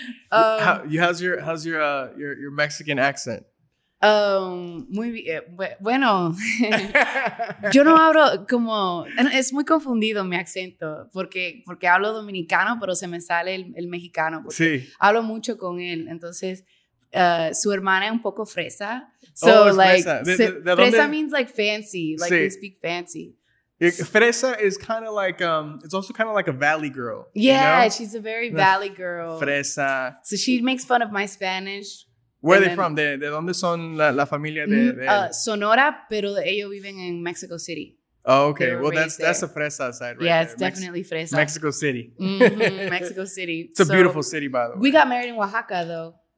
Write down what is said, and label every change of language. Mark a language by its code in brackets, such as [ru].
[en] How's your Mexican accent? [es] Muy bien. Bueno, yo no hablo como, es muy confundido mi acento, porque hablo dominicano, pero se me sale el mexicano, porque sí. Hablo mucho con él, entonces, su hermana es un poco fresa, [en] so like, fresa, fresa means like fancy, like sí. They speak fancy. Fresa is kind of like, it's also kind of like a valley girl. Yeah, you know? She's a very valley girl. Fresa. So she makes fun of my Spanish. Where are they from? [es] ¿De dónde son la familia de...? Sonora, pero ellos viven en Mexico City. [en] Oh, okay. Well, that's the fresa side, right? Yeah, it's there. Definitely fresa. Mexico City. Mm-hmm, Mexico City. It's a beautiful city, by the way. We got married in Oaxaca, though.